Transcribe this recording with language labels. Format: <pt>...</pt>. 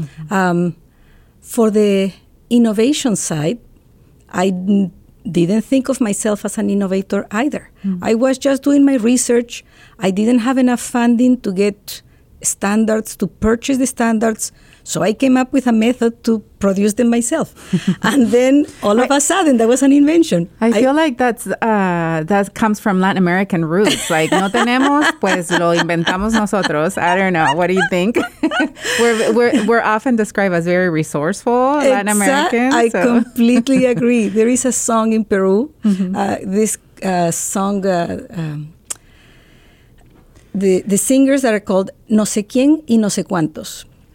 <en>For the innovation side, I didn't think of myself as an innovator either. I was just doing my research. I didn't have enough funding to get standards, to purchase the standards. So I came up with a method to produce them myself. And then all of a sudden, that was an invention. I feel like that comes from Latin American roots. Like,</en> <es>no tenemos, pues lo inventamos nosotros.</es> <en>I don't know. What do you think? we're often described as very resourceful Latin Americans. I completely agree. There is a song in Peru. Mm-hmm. The singers that are called No Sé Quién y No Sé Cuántos.</en>